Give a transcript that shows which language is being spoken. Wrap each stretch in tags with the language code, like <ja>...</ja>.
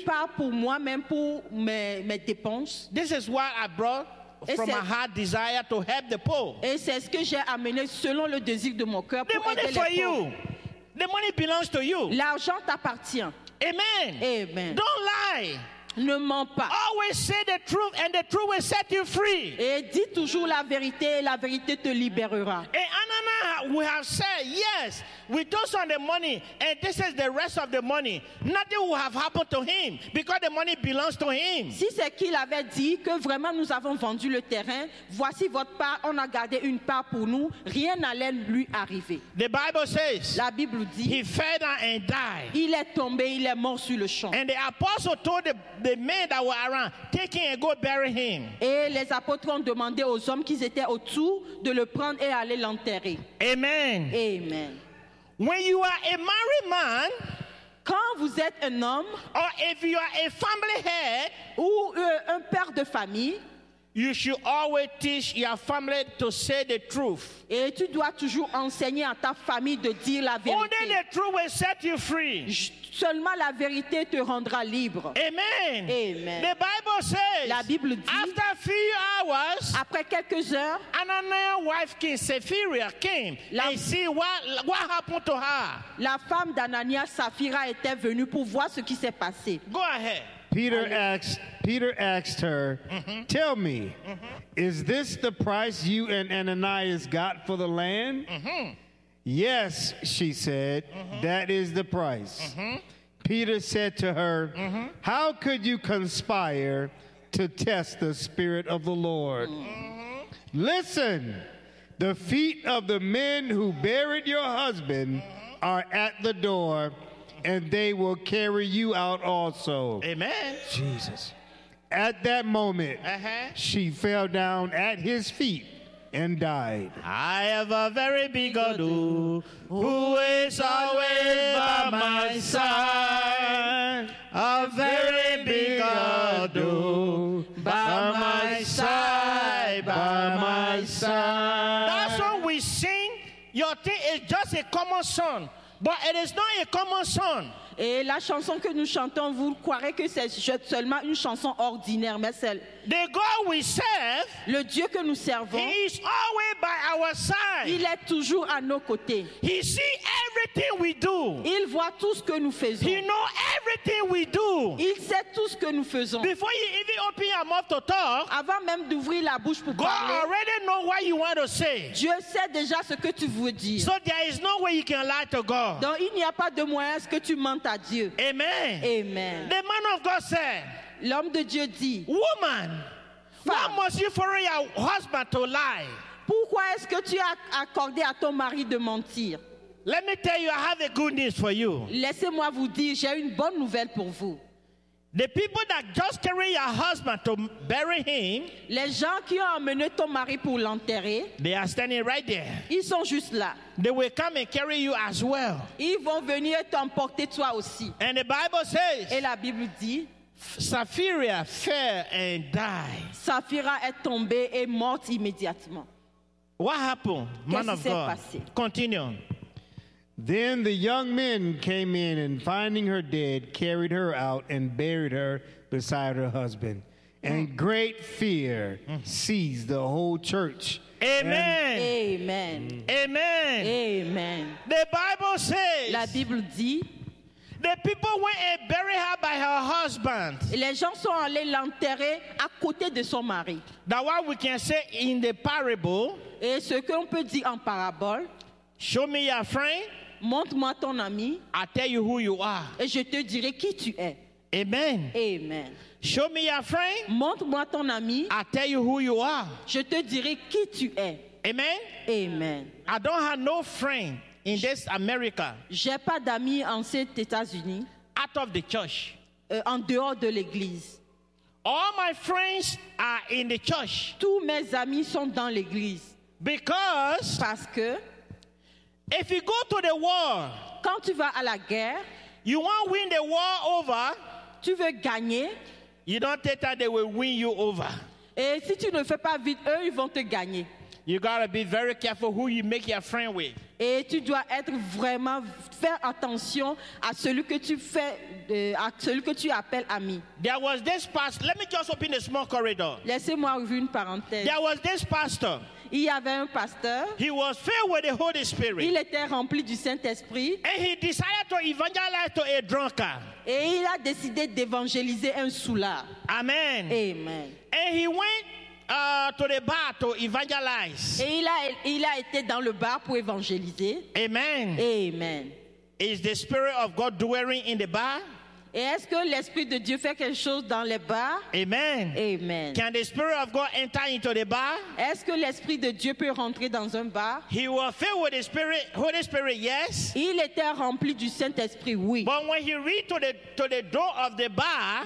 <fr>Une part pour moi-même, pour mes dépenses.</fr> <en>This is what I brought et from my heart desire to help the poor.</en> <fr>Et c'est ce que j'ai amené selon le désir de mon cœur pour aider les pauvres.</fr> <en>The money for you. The money belongs to you.</en> <fr>L'argent t'appartient. Amen. Amen.</fr> <en>Don't lie.</en> <fr>Ne mens pas.</fr> <en>Always say the truth and the truth will set you free.</en> <fr>Et dis toujours la vérité et la vérité te libérera.</fr> <en>And Anana, we have said, yes, we took some of the money and this is the rest of the money. Nothing will have happened to him because the money belongs to him.</en> <fr>Si c'est qu'il avait dit que vraiment nous avons vendu le terrain, voici votre part, on a gardé une part pour nous, rien n'allait lui arriver.</fr> <en>The Bible says,</en> <fr>la Bible dit,</fr> <en>he fell down and died.</en> <fr>Il est tombé, il est mort sur le champ.</fr> <en>And the apostle told the men that were around, take him and go bury him.</en> <fr>Et les apôtres ont demandé aux hommes qui étaient autour de le prendre et aller l'enterrer. Amen. Amen.</fr> <en>When you are a married man,</en> <fr>quand vous êtes un homme,</fr> <en>or if you are a family head,</en> <fr>ou un père de famille,</fr> <en>You should always teach your family to say the truth.</en> <fr>Et tu dois toujours enseigner à ta famille de dire la vérité.</fr> <en>Only the truth will set you free.</en> <fr>Seulement la vérité te rendra libre. Amen. Amen.</fr> <en>The Bible says.</en> <fr>La Bible dit.</fr> <en>After a few hours.</en> <fr>Après quelques heures.</fr> <en>Ananias' wife, King Sapphira, came and see what happened to her.</en> <fr>La femme d'Ananias, Sapphira, était venue pour voir ce qui s'est passé.</fr> <en>Go ahead. Peter asked her, mm-hmm. Tell me, mm-hmm. Is this the price you and Ananias got for the land? Mm-hmm. Yes, she said, mm-hmm. That is the price. Mm-hmm. Peter said to her, mm-hmm. How could you conspire to test the Spirit of the Lord? Mm-hmm. Listen, the feet of the men who buried your husband mm-hmm. are at the door. And they will carry you out also. Amen. Jesus. At that moment, uh-huh. She fell down at his feet and died. I have a very big ado who is always by my side. A very big ado by my side, by my side. That song we sing, your thing is just a common song. But it is not a common song.</en> <fr>Et la chanson que nous chantons, vous croirez que c'est seulement une chanson ordinaire, mais celle.</fr> <en>The God we serve.</en> <fr>Le Dieu que nous servons.</fr> <en>He is always by our side.</en> <fr>Il est toujours à nos côtés.</fr> <en>He sees everything we do.</en> <fr>Il voit tout ce que nous faisons.</fr> <en>He knows everything we do.</en> <fr>Il sait tout ce que nous faisons.</fr> <en>Before you even open your mouth to talk.</en> <fr>Avant même d'ouvrir la bouche pour</fr> <en>God</en> <fr>parler.</fr> <en>God already knows what you want to say.</en> <fr>Dieu sait déjà ce que tu veux dire.</fr> <en>So there is no way you can lie to God.</en> <fr>Donc il n'y a pas de moyen ce que tu mentes à Dieu. Amen. Amen.</fr> <en>The man of God said.</en> <fr>L'homme de Dieu dit.</fr> <en>Woman, why must you follow your husband to lie?</en> <fr>Pourquoi est-ce que tu as accordé à ton mari de mentir?</fr> <en>Let me tell you, I have a good news for you.</en> <fr>Laissez-moi vous dire, j'ai une bonne nouvelle pour vous.</fr> <en>The people that just carry your husband to bury him.</en> <fr>Les gens qui ont emmené ton mari pour l'enterrer.</fr> <en>They are standing right there.</en> <fr>Ils sont juste là.</fr> <en>They will come and carry you as well.</en> <fr>Ils vont venir t'emporter toi aussi.</fr> <en>And the Bible says.</en> <fr>Et la Bible dit.</fr> <en>Sapphira fell and died.</en> <fr>Sapphira est tombée et morte immédiatement.</fr> <en>What happened, man of God?</en> <fr>Passé?</fr> <en>Continue. Then the young men came in and finding her dead, carried her out and buried her beside her husband. And great fear seized the whole church. Amen. Amen. Amen. Amen. The Bible says.</en> <fr>La Bible dit.</fr> <en>The people went and buried her by her husband.</en> <fr>Les gens sont allés l'enterrer à côté de son mari.</fr> <en>That's what we can say in the parable.</en> <fr>Et ce qu'on peut dire en parabole.</fr> <en>Show me your friend.</en> <fr>Montre-moi ton ami.</fr> <en>I tell you who you are.</en> <fr>Et je te dirai qui tu es. Amen. Amen.</fr> <en>Show me your friend.</en> <fr>Montre-moi ton ami.</fr> <en>I tell you who you are.</en> <fr>Je te dirai qui tu es. Amen. Amen.</fr> <en>I don't have no friend in this America.</en> <fr>J'ai pas d'amis en ces États-Unis.</fr> <en>Out of the church.</en> <fr>En dehors de l'église.</fr> <en>All my friends are in the church.</en> <fr>Tous mes amis sont dans l'église.</fr> <en>Because.</en> <fr>Parce que.</fr> <en>If you go to the war,</en> <fr>quand tu vas à la guerre,</fr> <en>you want to win the war over,</en> <fr>tu veux gagner,</fr> <en>you don't think that they will win you over.</en> <fr>Et si tu ne fais pas vite, eux, ils vont te gagner.</fr> <en>You got to be very careful who you make your friend with.</en> <fr>Et tu dois être vraiment faire attention à celui que tu fais, à celui que tu appelles ami.</fr> <en>There was this pastor. Let me just open a small corridor.</en> <fr>Laissez-moi ouvrir une parenthèse.</fr> <en>There was this pastor.</en> <fr>Il y avait un pasteur.</fr> <en>He was filled with the Holy Spirit.</en> <fr>Il était rempli du Saint-Esprit.</fr> <en>And he decided to evangelize to a drunkard.</en> <fr>Et il a décidé d'évangéliser un saoulard. Amen. Amen.</fr> <en>And he went to the bar to evangelize.</en> <fr>Et il a été dans le bar pour évangéliser. Amen. Amen.</fr> <en>Is the Spirit of God dwelling in the bar?</en> <fr>Et est-ce que l'Esprit de Dieu fait quelque chose dans les bars? Amen. Amen.</fr> <en>Can the Spirit of God enter into the bar?</en> <fr>Est-ce que l'Esprit de Dieu peut rentrer dans un bar?</fr> <en>He was filled with the Spirit, Holy Spirit, yes.</en> <fr>Il était rempli du Saint-Esprit, oui.</fr> <en>But when he reached to the door of the bar,</en>